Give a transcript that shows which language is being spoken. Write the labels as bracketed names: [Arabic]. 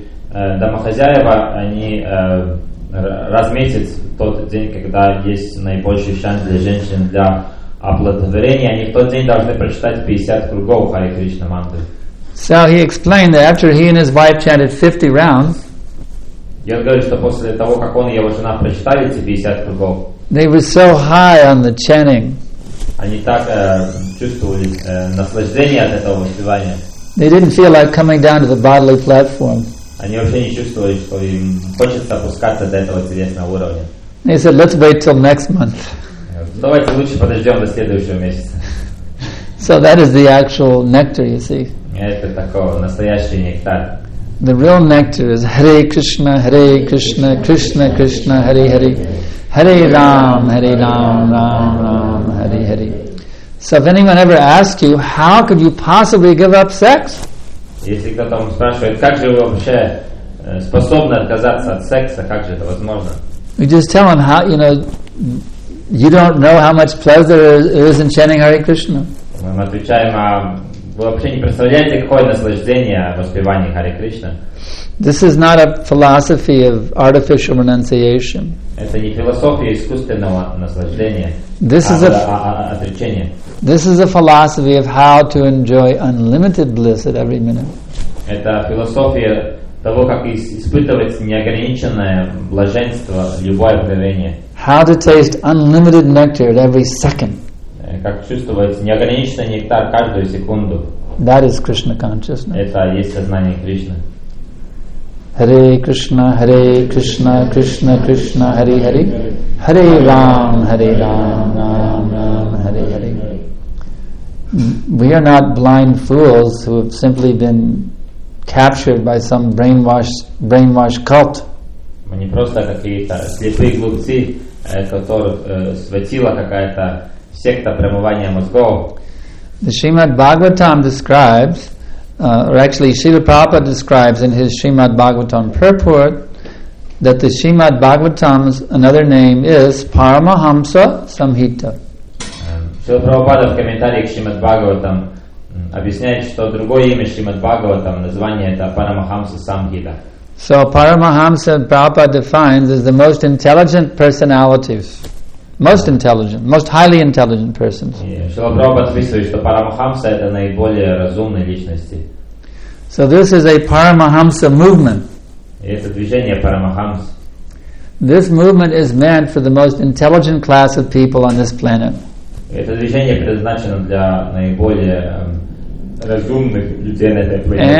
[Russian] Домохозяева, они раз в месяц, тот день, когда есть наибольший шанс для женщин для оплодотворения, они в тот день должны прочитать 50 кругов Хари Кришна мантры. [English] So he explained that after he and his wife chanted 50 rounds, [Russian] и он говорит, что после того, как он и его жена прочитали эти 50 кругов, [English] they were so high on the chanting, [Russian] они так чувствовали наслаждение от этого воспевания, [English] they didn't feel like coming down to the bodily platform. [Russian] Они вообще не чувствовали, что им хочется опускаться до этого телесного уровня. [English] He said, "Let's wait till next month." [Russian] Давайте лучше подождем до следующего месяца. [English] So that is the actual nectar, you see. [Russian] Это такой настоящий нектар. [English] The real nectar is Hare Krishna, Hare Krishna, Krishna Krishna, Hare Hare, Hare Ram, Hare Ram, Ram Ram, Hare Hare. So if anyone ever asks you, how could you possibly give up sex? [Russian] Если кто-то вам спрашивает, как же вы вообще способны отказаться от секса, как же это возможно? [English] We just tell them how, you know, you don't know how much pleasure there is in chanting Hare Krishna. [Russian] Мы отвечаем, а вы вообще не представляете, какое наслаждение в воспевании Hare Krishna. [English] This is not a philosophy of artificial renunciation. [Russian] Это не философия искусственного наслаждения. [English] This is a [Russian] отречение. [English] This is a philosophy of how to enjoy unlimited bliss at every minute. [Russian] Это философия того, как испытывать неограниченное блаженство в любое мгновение. [English] How to taste unlimited nectar at every second. [Russian] Как чувствовать неограниченный нектар каждую секунду. [English] That is Krishna consciousness. [Russian] Это есть сознание Кришны. [English] Hare Krishna, Krishna Krishna, Hare Hare, Hare Ram, Hare Ram, Ram Ram, Hare Hare. We are not blind fools who have simply been captured by some brainwashed cult. [Russian] Мы не просто какие-то слепые глупцы, которых схватила какая-то секта промывания мозгов. [English] The Srimad Bhagavatam describes, or actually Srila Prabhupada describes in his Srimad Bhagavatam purport, that the Srimad Bhagavatam's another name is Paramahamsa Samhita. [Russian] Srila Prabhupada в комментарии к Srimad Bhagavatam объясняет, что другое имя Srimad Bhagavatam, название это Paramahamsa Samhita. [English] So Paramahamsa Prabhupada defines as the most intelligent personalities. Most intelligent, most highly intelligent persons. [Russian] Шрила Прабхупада описывает, что Парамахамса это наиболее разумные личности. [English] So this is a Paramahamsa movement. [Russian] Это движение Парамахамс. [English] This movement is meant for the most intelligent class of people on this planet. [Russian] Это движение предназначено для наиболее разумных людей на этой планете.